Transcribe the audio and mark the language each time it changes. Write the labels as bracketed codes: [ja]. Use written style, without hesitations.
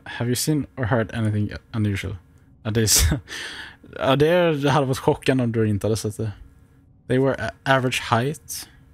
[en] Have you seen or heard anything unusual? [sv] Det hade varit chockande om du inte hade sett det. [en] They were average height.